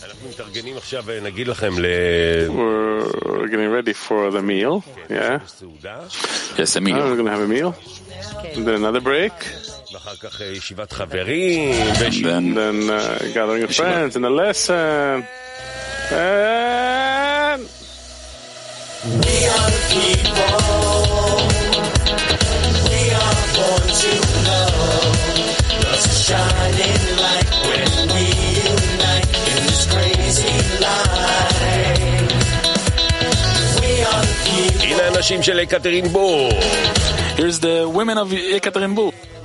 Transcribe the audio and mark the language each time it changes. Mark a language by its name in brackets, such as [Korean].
[Hebrew] מתארגנים עכשיו נגיד לכם ל... [English] We're getting ready for the meal, yeah. Yes, a meal. We're going to have a meal. Then another break. [Hebrew] ואחר כך ישיבת חברים. [English] Then gathering of friends and a lesson. And... We are the people. We are born to know. Let's shine in light when we [Hebrew] הנה הנשים של יקטרינבורג. [English] Here's the women of יקטרינבורג.